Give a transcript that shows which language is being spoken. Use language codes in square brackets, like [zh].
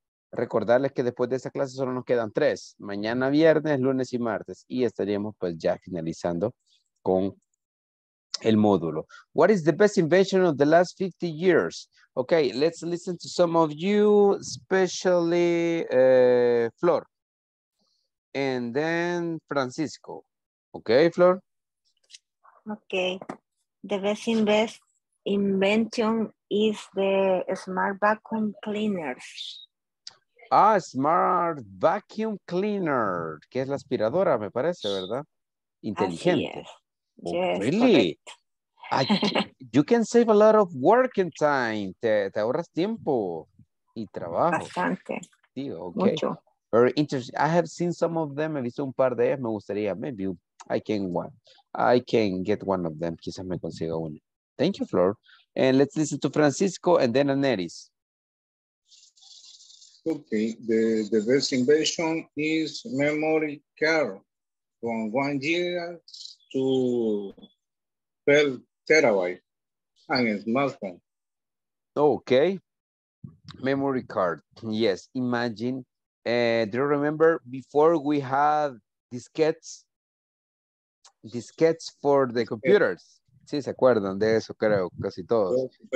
[es] Recordarles que después de esta clase solo nos quedan tres. Mañana viernes, lunes y martes. Y estaríamos pues ya finalizando con el módulo. [en] What is the best invention of the last 50 years? Okay, let's listen to some of you, especially Flor. And then Francisco. Okay, Flor. Okay, the best invention. Invention is the smart vacuum cleaners. [es] Ah, smart vacuum cleaner, que es la aspiradora, me parece, ¿verdad? Inteligente. Así es. Oh, yes, [en] really? You can save a lot of work and time. [es] Te ahorras tiempo y trabajo. Bastante. Sí, okay. Mucho. [en] Very interesting. I have seen some of them. [es] He visto un par de ellas. Me gustaría. [en] Maybe I can get one of them. [es] Quizás me consiga uno. [en] Thank you, Flor. And let's listen to Francisco and then Aneris. Okay, the best invention is memory card from 1 giga to 12 terabyte and a smartphone. Okay, memory card. Yes, imagine. Do you remember before we had diskettes for the computers? Yeah. [es] Sí, se acuerdan de eso, creo, casi todos.